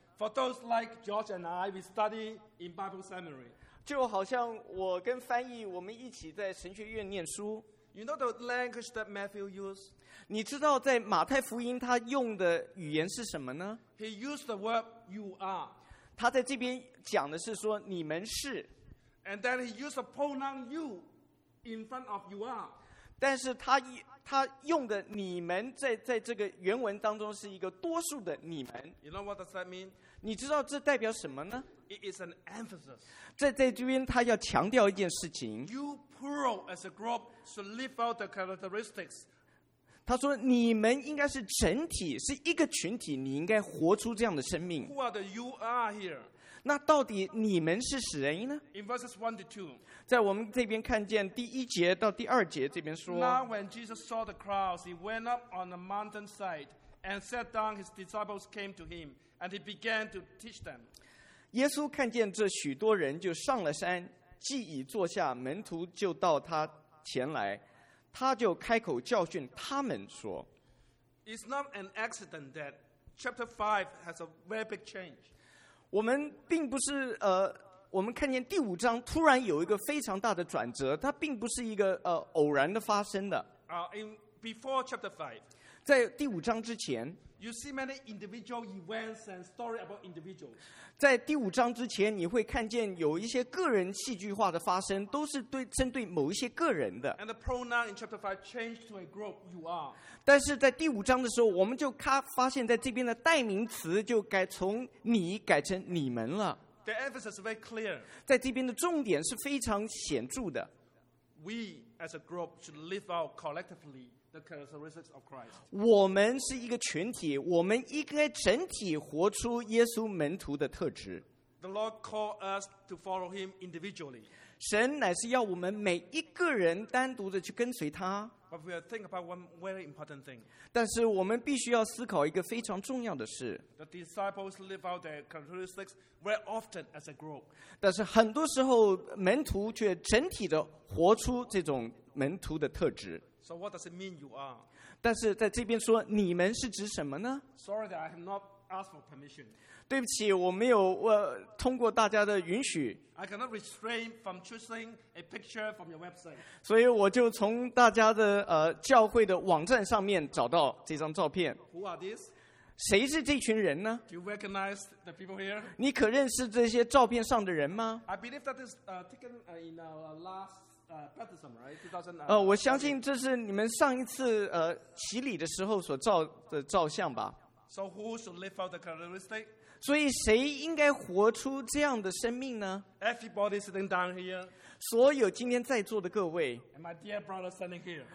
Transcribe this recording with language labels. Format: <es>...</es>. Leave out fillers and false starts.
<en>For those like George and I, we study in Bible seminary.</en> <zh>就好像我跟翻译，我们一起在神学院念书。</zh> <en>You know the language that Matthew used?</en> <zh>你知道在马太福音他用的语言是什么呢？</zh> <en>He used the word you are.</en> <zh>他在这边讲的是说你们是。</zh> <en>And then he used the pronoun you in front of you are.</en> <zh>但是 他用的你们 在这个原文当中是一个多数的你们。</zh> <en>You know what does that mean?</en> <zh>你知道这代表什么呢？</zh> <en>It is an emphasis.</en> <zh>在这边他要强调一件事情。</zh> <en>You plural as a group should live out the characteristics.</en> <zh>他说你们应该是整体，是一个群体，你应该活出这样的生命。</zh> <en>Who are the you are here?</en> <zh>那到底你们是谁呢？</zh> <en>In verses 1 to 2.</en> <zh>在我们这边看见第一节到第二节这边说。</zh> <en>Now when Jesus saw the crowds, he went up on the mountainside and sat down. His disciples came to him, and he began to teach them.</en> <zh>耶稣看见这许多人，就上了山，既已坐下，门徒就到他前来，他就开口教训他们说。</zh> <en>It's not an accident that chapter 5 has a very big change.</en> <zh>我们并不是我们看见第五章突然有一个非常大的转折，它并不是一个偶然的发生的。</zh> <en>Before chapter 5,</en> <zh>在第五章之前</zh> <en>，You see many individual events and story about individuals.</en> <zh>在第五章之前，你会看见有一些个人戏剧化的发生，都是对针对某一些个人的。</zh> <en>And the pronoun in chapter 5 changed to a group you are.</en> <zh>但是在第五章的时候，我们就发现在这边的代名词就改从你改成你们了。</zh> <en>The emphasis is very clear.</en> <zh>在这边的重点是非常显著的。</zh> <en>We as a group should live out collectively the characteristics of Christ.</en> <zh>我们是一个群体，我们应该整体活出耶稣门徒的特质。</zh> <en>The Lord called us to follow Him individually.</en> <zh>神乃是要我们每一个人单独的去跟随他。</zh> <en>But we will think about one very important thing.</en> <zh>但是我们必须要思考一个非常重要的事。</zh> <en>The disciples live out their characteristics very often as a group.</en> <zh>但是很多时候门徒却整体的活出这种门徒的特质。</zh> <en>So what does it mean you are?</en> <zh>但是在这边说你们是指什么呢？</zh> <en>Sorry that I have not asked for permission.</en> <zh>对不起，我没有通过大家的允许。</zh> <en>I cannot restrain from choosing a picture from your website.</en> <zh>所以我就从大家的教会的网站上面找到这张照片。</zh> <en>Who are these?</en> <zh>谁是这群人呢？</zh> <en>Do you recognize the people here?</en> <zh>你可认识这些照片上的人吗？</zh> <en>I believe that is taken in our last baptism, right?</en> <zh>我相信这是你们上一次洗礼的时候所照的照相吧。</zh> <en>So who should live out the characteristic?</en> <zh>所以谁应该活出这样的生命呢？</zh> <en>Everybody sitting down here.</en> <zh>所有今天在座的各位。</zh> <en>And my dear brother standing here.</en>